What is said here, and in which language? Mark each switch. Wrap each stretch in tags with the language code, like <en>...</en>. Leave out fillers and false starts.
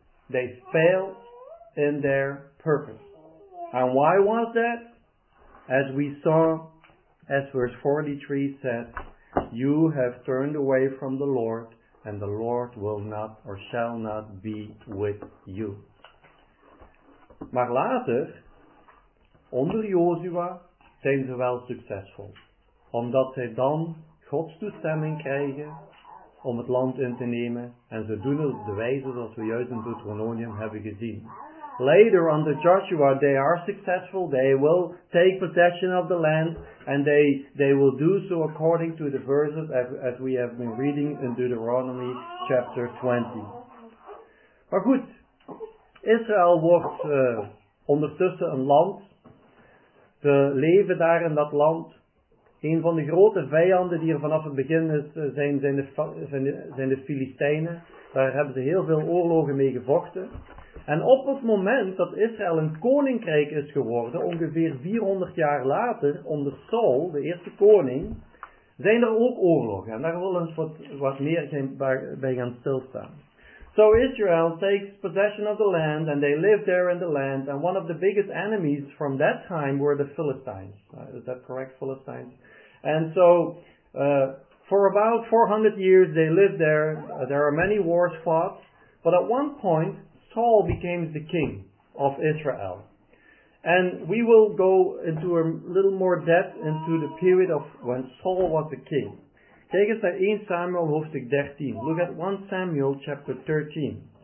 <en>They failed in their purpose. And why was that? As we saw, as verse 43 said, you have turned away from the Lord, and the Lord will not or shall not be with you.</en> <nl>Maar later, onder Jozua, zijn ze wel succesvol. Omdat zij dan Gods toestemming krijgen om het land in te nemen. En ze doen het op de wijze zoals we juist in Deuteronomium hebben gezien.</nl> <en>Later under Joshua, they are successful. They will take possession of the land. And they will do so according to the verses as we have been reading in Deuteronomy chapter 20.</en> <nl>Maar goed, Israël wordt ondertussen een land. Ze leven daar in dat land. Een van de grote vijanden die er vanaf het begin is, zijn de Filistijnen. Daar hebben ze heel veel oorlogen mee gevochten. En op het moment dat Israël een koninkrijk is geworden, ongeveer 400 jaar later, onder Saul, de eerste koning, zijn er ook oorlogen. En daar willen we wat meer bij gaan stilstaan.</nl> <en>So Israel takes possession of the land and they live there in the land, and one of the biggest enemies from that time were the Philistines. Is that correct, Philistines? And so for about 400 years they lived there. There are many wars fought, but at one point Saul became the king of Israel. And we will go into a little more depth into the period of when Saul was the king.</en> <nl>Kijk eens naar 1 Samuel hoofdstuk 13.</nl> <en>Look at 1 Samuel chapter 13.</en>